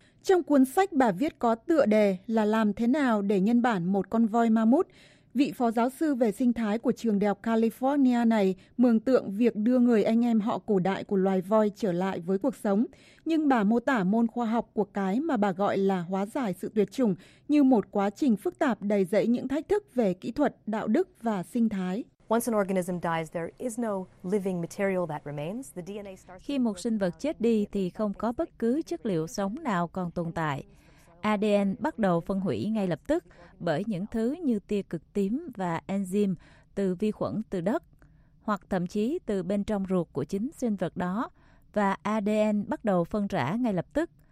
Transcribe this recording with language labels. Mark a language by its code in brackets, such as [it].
[vi] Trong cuốn sách bà viết có tựa đề là Làm thế nào để nhân bản một con voi mammoth, vị phó giáo sư về sinh thái của trường đại học California này mường tượng việc đưa người anh em họ cổ đại của loài voi trở lại với cuộc sống, nhưng bà mô tả môn khoa học của cái mà bà gọi là hóa giải sự tuyệt chủng như một quá trình phức tạp đầy rẫy những thách thức về kỹ thuật, đạo đức và sinh thái. [en] Once an organism dies, there is no living material that remains. The DNA starts. [vi] Khi một sinh vật chết đi thì không có bất cứ chất liệu sống nào còn tồn tại. ADN bắt đầu phân hủy ngay lập tức bởi những thứ như tia cực tím và enzyme từ vi khuẩn từ đất, hoặc thậm chí từ bên trong ruột của chính sinh vật đó, và ADN bắt đầu phân rã ngay lập tức.